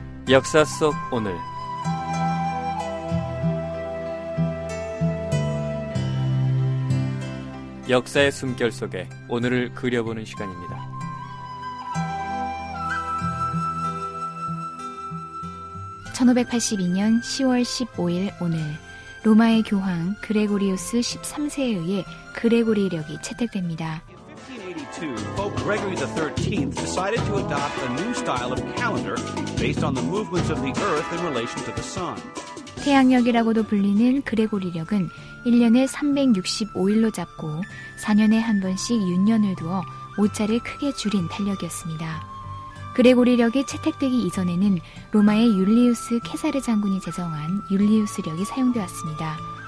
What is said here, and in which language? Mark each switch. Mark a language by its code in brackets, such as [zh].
[ko] 역사 속 오늘 역사의 숨결 속에 오늘을 그려보는 시간입니다. 1582년 10월 15일 오늘 로마의 교황 그레고리우스 13세에 의해 그레고리력이 채택됩니다. [en] Pope Gregory XIII decided to adopt a new style of calendar based on the movements of the earth in relation to the sun. [ko] 태양력이라고도 불리는 그레고리력은 1년에 365일로 잡고 4년에 한 번씩 윤년을 두어 오차를 크게 줄인 달력이었습니다. 그레고리력이 채택되기 이전에는 로마의 율리우스 케사르 장군이 제정한 율리우스력이 사용되었습니다.